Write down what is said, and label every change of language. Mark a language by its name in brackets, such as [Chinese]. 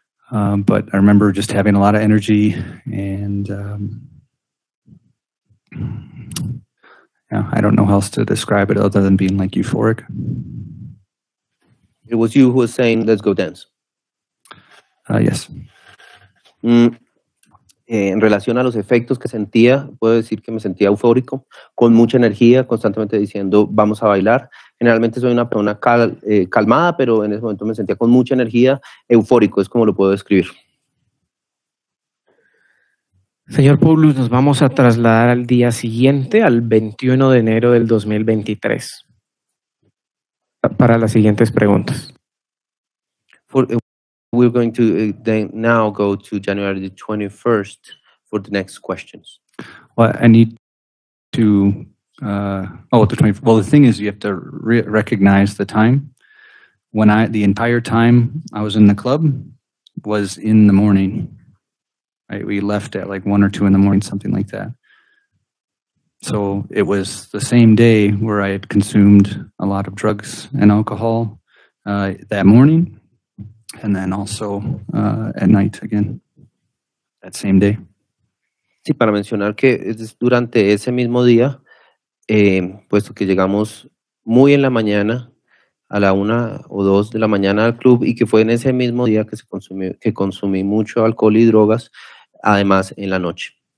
[English] But I remember just having a lot of energy and, I don't know how else to describe it other than being like euphoric. It was you who was saying, let's go dance. Yes. [Spanish] En relación a los efectos que sentía, puedo decir que me sentía eufórico, con mucha energía, constantemente diciendo, vamos a bailar. Generalmente soy una persona calmada, pero en ese momento me sentía con mucha energía, eufórico, es como lo puedo describir. Señor Poulos, nos vamos a trasladar al día siguiente, al 21 de enero del 2023. Para las siguientes preguntas. [English] We're going to then now go to January the 21st for the next questions. Well, I need to, the 21st. Well, the thing is, you have to recognize the time. The entire time I was in the club was in the morning. Right? We left at like 1 or 2 in the morning, something like that. So it was the same day where I had consumed a lot of drugs and alcohol that morning, and then also at night again, that same day. [Spanish] Sí, para mencionar que es durante ese mismo día, puesto que llegamos muy en la mañana, a la 1 o 2 de la mañana al club, y que fue en ese mismo día que consumí mucho alcohol y drogas, además en la noche.